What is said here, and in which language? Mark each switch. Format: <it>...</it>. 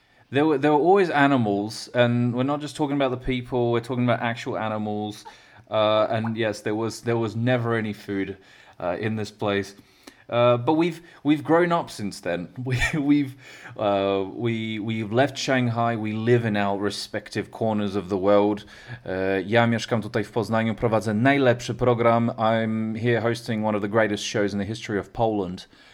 <en>There were always animals, and we're not just talking about the people, we're talking about actual animals. And yes, there was never any food in this place. But we've grown up since then. We've left Shanghai. We live in our respective corners of the world.</en> <pl>Ja mieszkam tutaj w Poznaniu, prowadzę najlepszy program.</pl> <en>I'm here hosting one of the greatest shows in the history of Poland.</en>